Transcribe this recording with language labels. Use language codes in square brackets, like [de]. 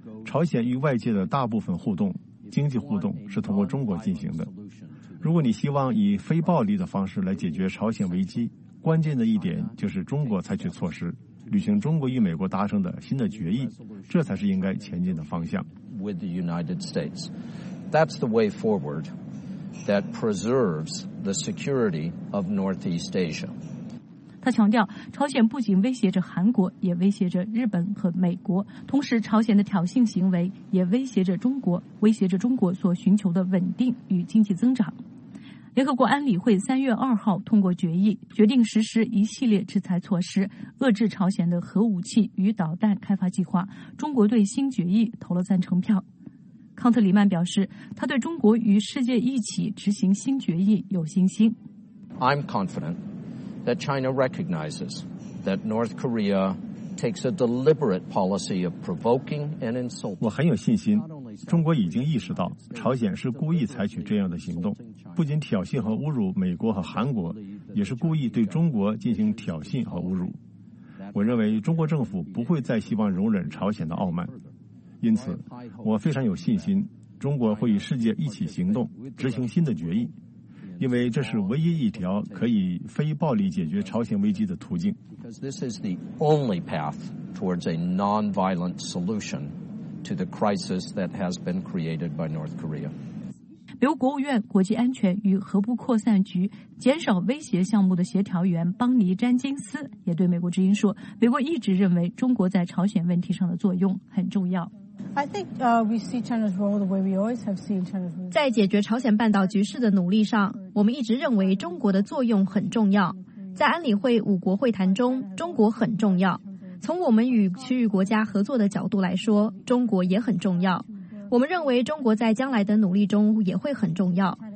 [zh] 朝鲜与外界的大部分互动，经济互动是通过中国进行的。如果你希望以非暴力的方式来解决朝鲜危机，关键的一点就是中国采取措施，履行中国与美国达成的新的决议，这才是应该前进的方向。 [en] With the United States, that's the way forward. That preserves the security of Northeast Asia. [zh] 他强调，朝鲜不仅威胁着韩国，也威胁着日本和美国。同时，朝鲜的挑衅行为也威胁着中国，威胁着中国所寻求的稳定与经济增长。联合国安理会3月2号通过决议，决定实施一系列制裁措施，遏制朝鲜的核武器与导弹开发计划。中国对新决议投了赞成票。康特里曼表示，他对中国与世界一起执行新决议有信心。 [en] I'm confident that China recognizes that North Korea takes a deliberate policy of provoking and insulting. [zh] 我很有信心，中国已经意识到朝鲜是故意采取这样的行动，不仅挑衅和侮辱美国和韩国，也是故意对中国进行挑衅和侮辱。我认为中国政府不会再希望容忍朝鲜的傲慢。因此，我非常有信心，中国会与世界一起行动，执行新的决议，因为这是唯一一条可以非暴力解决朝鲜危机的途径。 [en] Because this is the only path towards a non-violent solution to the crisis that has been created by North Korea. [zh] 美国国务院国际安全与核不扩散局减少威胁项目的协调员邦尼·詹金斯也对美国之音说，美国一直认为中国在朝鲜问题上的作用很重要。 [en] I think we see China's role the way we always have seen China's role. [zh] 在解决朝鲜半岛局势的努力上，我们一直认为中国的作用很重要。在安理会五国会谈中，中国很重要。从我们与区域国家合作的角度来说，中国也很重要。我们认为中国在将来的努力中也会很重要。